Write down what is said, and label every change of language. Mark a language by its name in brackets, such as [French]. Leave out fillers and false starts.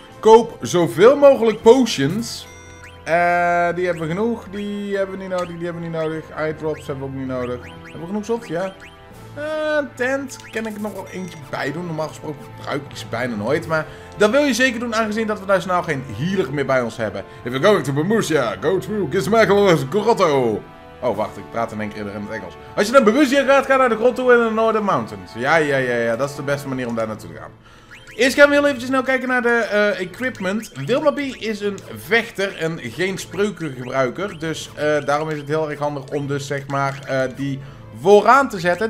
[Dutch] Koop zoveel mogelijk potions. Die hebben we genoeg. Die hebben we niet nodig. Die hebben we niet nodig. Eyedrops hebben we ook niet nodig. Hebben we genoeg zot? Ja. Tent kan ik nog wel eentje bij doen. Normaal gesproken gebruik ik ze bijna nooit. Maar dat wil je zeker doen aangezien dat we daar snel geen healer meer bij ons hebben. [English] If you're going to Bemusia, go through Gizmagalus Grotto. [Dutch] Oh, wacht. Ik praat in één keer in het Engels. Als je naar Bemusia gaat, ga naar de grotto in de Northern Mountains. Ja. Dat is de beste manier om daar naartoe te gaan. Eerst gaan we heel even snel kijken naar de equipment. Wilma B is een vechter en geen spreukengebruiker. Dus daarom is het heel erg handig om dus zeg maar die vooraan te zetten.